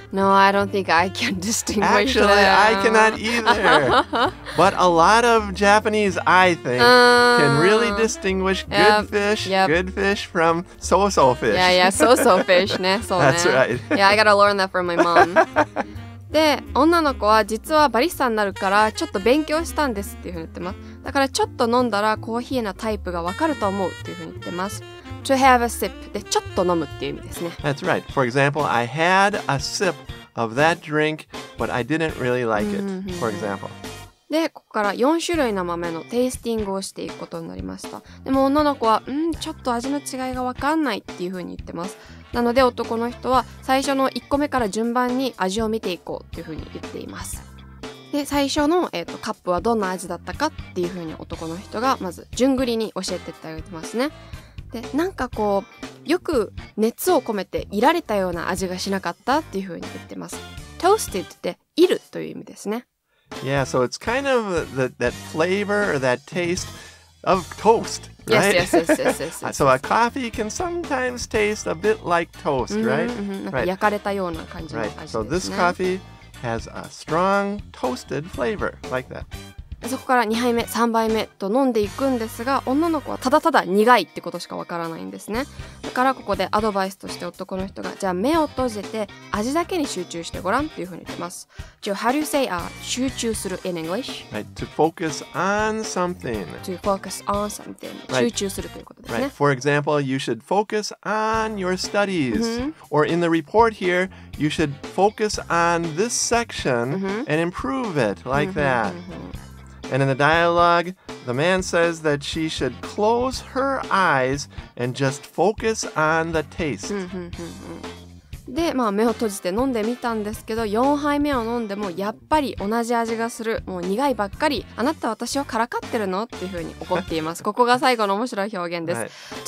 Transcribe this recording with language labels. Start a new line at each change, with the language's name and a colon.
English: No, I don't think I can distinguish them. Actually, I cannot either. But a lot of Japanese, I think, can really distinguish good fish from so-so fish. Yeah, yeah, so-so fish. That's right. Yeah, I gotta learn that from my mom.
Japanese: で、女の子は実はバリスタになるからちょっと勉強したんですっていうふうに言ってます。だからちょっと飲んだらコーヒーのタイプがわかると思うっていうふうに言ってます。 To have a sip でちょっと飲むっていう意味ですね。
English: That's right. For example, I had a sip of that drink, but I didn't really like it, for example.
Japanese: で、ここから4種類の豆のテイスティングをしていくことになりました。でも女の子は、ちょっと味の違いがわかんないっていうふうに言ってます。なので男の人は最初の1個目から順番に味を見ていこうっていうふうに言っています。で、最初の、カップはどんな味だったかっていうふうに男の人がまず順繰りに教えてってあげてますね。で、なんかこう、よく熱を込めていられたような味がしなかったっていうふうに言ってます。 Toasted っているという意味ですね。
English: Yeah, so it's kind of that flavor or that taste of toast. Right? Yes. So a coffee can sometimes taste a bit like toast, right? Right.
Japanese: 焼かれたような感じの味ですね。
English: Right. So this coffee has a strong toasted flavor, like that.
Japanese: そこから2杯目、3杯目と飲んでいくんですが、女の子はただただ苦いってことしかわからないんですね。だからここでアドバイスとして男の人が、じゃあ目を閉じて味だけに集中してごらんっていうふうに言ってます。
English: So how do you say, 集中する in English? Right, to focus on something. To focus on something. Right.
Japanese: 集中するということですね。
English: Right, for example, you should focus on your studies. Or in the report here, you should focus on this section and improve it like that. And in the dialogue, the man says that she should close her eyes and just focus on the taste.
Japanese: で、まあ目を閉じて飲んでみたんですけど、4杯目を飲んでもやっぱり同じ味がする。もう苦いばっかり。あなた私をからかってるの?っていうふうに怒っています。ここが最後の面白い表現です。